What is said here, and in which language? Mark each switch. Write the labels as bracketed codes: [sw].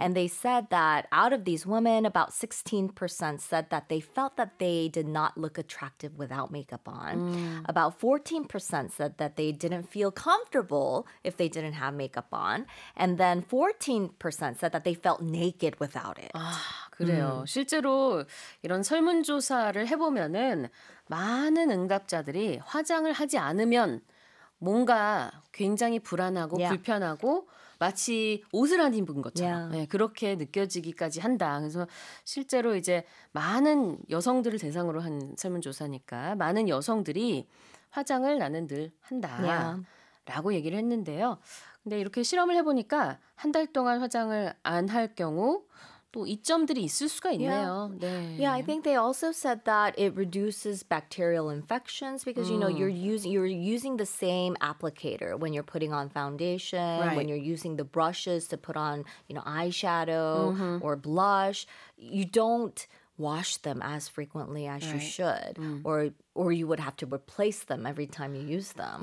[en] And they said that out of these women, about 16% said that they felt that they did not look attractive without makeup on. Mm. About 14% said that they didn't feel comfortable if they didn't have makeup on. And then 14% said that they felt naked without it. [ko] 아, 그래요. 실제로 이런 설문조사를 해보면은 많은 응답자들이 화장을 하지 않으면 뭔가 굉장히 불안하고 불편하고 마치 옷을 안 입은 것처럼 그렇게 느껴지기까지 한다. 그래서 실제로 이제 많은 여성들을 대상으로 한 설문조사니까 많은 여성들이 화장을 나는 늘 한다라고 얘기를 했는데요. 근데 이렇게 실험을 해보니까 한 달 동안 화장을 안 할 경우 또 이점들이 있을 수가 있네요. [en] Yeah, I think they also said that it reduces bacterial infections because you know you're using the same applicator when you're putting on foundation, right. when you're using the brushes to put on, you know, eyeshadow or blush. You don't wash them as frequently as you should, or you would have to replace them every time you use them.